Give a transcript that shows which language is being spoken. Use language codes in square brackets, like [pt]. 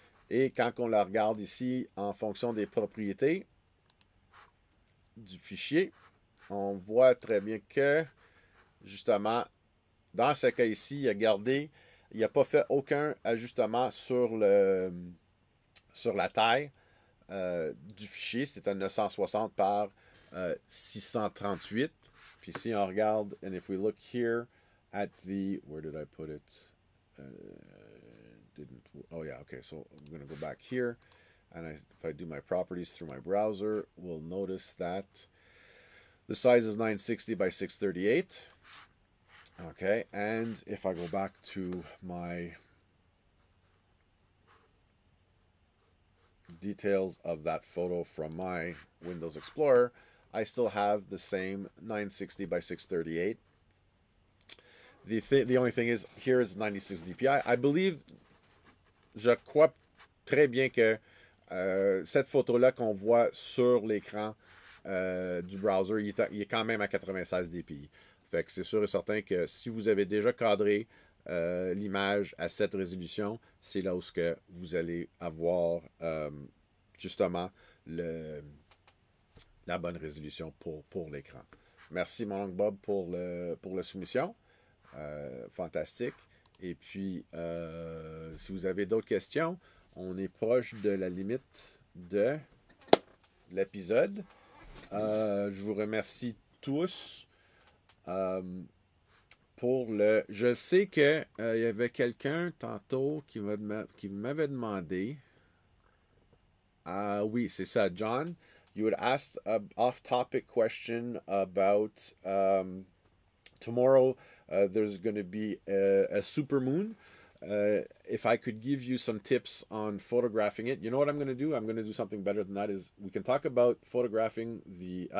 [fr] Et quand on la regarde ici, en fonction des propriétés du fichier, on voit très bien que, justement, dans ce cas ici, il a gardé, il n'a pas fait aucun ajustement sur la taille du fichier. C'est un 960 par 638. Puis si on regarde, [en] and if we look here at the, where did I put it? Didn't, oh yeah, okay, so I'm going to go back here. And if I do my properties through my browser, we'll notice that the size is 960 by 638. Okay, and if I go back to my... details of that photo from my Windows Explorer, I still have the same 960 by 638. The only thing is, here is 96 dpi. I believe, [fr] je crois très bien que cette photo-là qu'on voit sur l'écran du browser, il est quand même à 96 dpi. Fait que c'est sûr et certain que si vous avez déjà cadré l'image à cette résolution, c'est là où ce que vous allez avoir justement la bonne résolution pour l'écran. Merci mon oncle Bob pour la soumission. Fantastique. Et puis, si vous avez d'autres questions, on est proche de la limite de l'épisode. Je vous remercie tous pour le... Je sais que il y avait quelqu'un tantôt qui m'avait demandé... oui, c'est ça, John. [en] You had asked an off-topic question about tomorrow there's going to be a super moon. If I could give you some tips on photographing it, you know what I'm going to do? I'm going to do something better than that. Is we can talk about photographing the...